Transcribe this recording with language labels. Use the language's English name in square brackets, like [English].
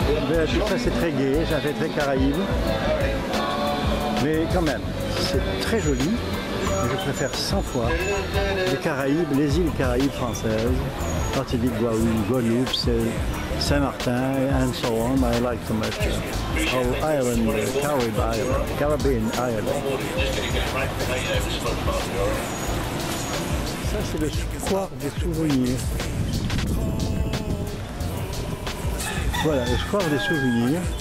[French] Mais tout ça, c'est très gai, ça fait très Caraïbe. Mais quand même, c'est très joli. Je préfère 100 fois les Caraïbes, les îles Caraïbes françaises, Martinique, Guadeloupe, Guadeloupe, Saint-Martin, [English] and so on. I like them much. Oh, Ireland, Caribbean, Caribbean Ireland. [French] Ça, c'est le square des souvenirs. Voilà, le square des souvenirs.